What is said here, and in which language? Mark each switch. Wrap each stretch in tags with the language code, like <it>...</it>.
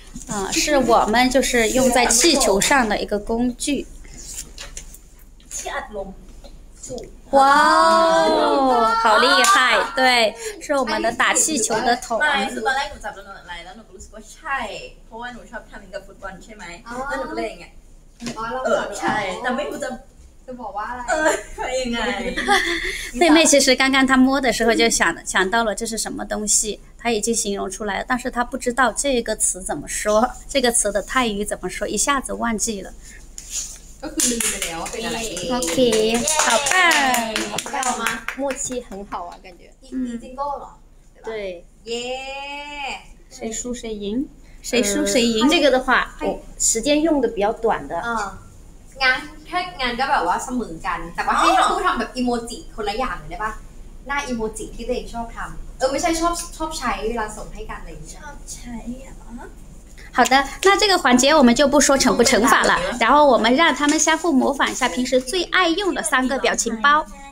<th>อ่าคือ</th> <zh>我们就是用在气球上的一个工具气压</zh> <th>ลม สูบว้าว</th> <zh>好厉害对是我们的打气球的桶</zh> <th>ใช่ตอนแรกหนูจับแล้วหนูอะไรแล้วหนูก็รู้สึกว่าใช่เพราะว่าหนูชอบทำเหมือนกับฟุตบอลใช่มั้ยแล้วหนูก็เลยอย่างเงี้ยอ๋อแล้วก็ใช่แต่ไม่รู้จะ</th> <zh>就宝宝了，可以应妹妹其实刚刚她摸的时候就想到了这是什么东西，她已经形容出来了，但是她不知道这个词怎么说，这个词的泰语怎么说，一下子忘记了。</zh> <en>OK，</en> <zh>好棒，你看我吗？默契很好啊，感觉。已经够了，对吧？耶、yeah ！谁输谁赢？谁输谁赢？这个的话，我时间用的比较短的。嗯。</zh> <th>งานก็แบบว่าเสมือนกันแต่ว่าให้ทั้งคู่ทำแบบอีโมจิคนละอย่างเลยได้ปะหน้าอีโมจิที่ตัวเองชอบทำไม่ใช่ชอบใช้เวลาส่งให้กันเลย ชอบใช้</th> <zh>好的，那这个环节我们就不说惩不惩罚了，然后我们让他们相互模仿一下平时最爱用的三个表情包。</zh>